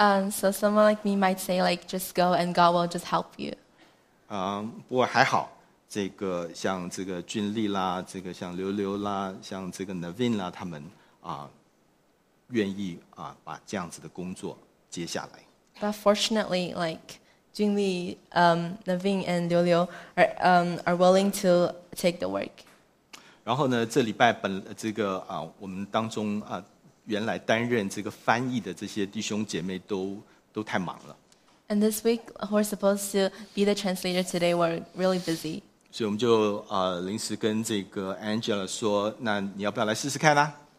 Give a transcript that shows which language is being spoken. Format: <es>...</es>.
<en>So someone like me might say, like, just go and God will just help you.</en> <zh>不过还好，这个像这个俊丽啦，这个像刘刘啦，像这个 Navin 啦，他们愿意把这样子的工作接下来。</zh> <en>But fortunately, like Junli, Navin and Liu Liu are willing to take the work.</en> <zh>然后呢，这礼拜我们当中原来担任这个翻译的这些弟兄姐妹都太忙了。</zh> <en>And this week, who are supposed to be the translator today were really busy.</en> <zh>所以我们就临时跟这个 Angela 说，那你要不要来试试看呢、啊、</zh>